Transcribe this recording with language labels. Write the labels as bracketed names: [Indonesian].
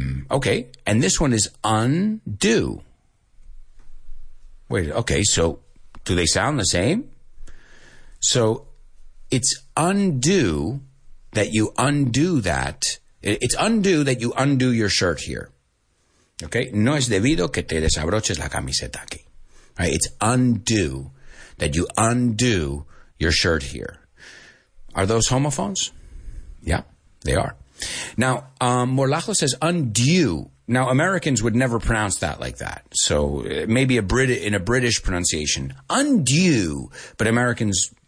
[English] Okay, and this one is undo. Wait, okay, so do they sound the same? So it's undo that you undo that. It's undo that you undo your shirt here. Okay? [Spanish] No es debido que te desabroches la camiseta aquí. [English] Right? It's undo that you undo your shirt here. Are those homophones? Yeah, they are. Now, Morlajo says undo. Now, Americans would never pronounce that like that. So maybe in a British pronunciation, undo. But Americans,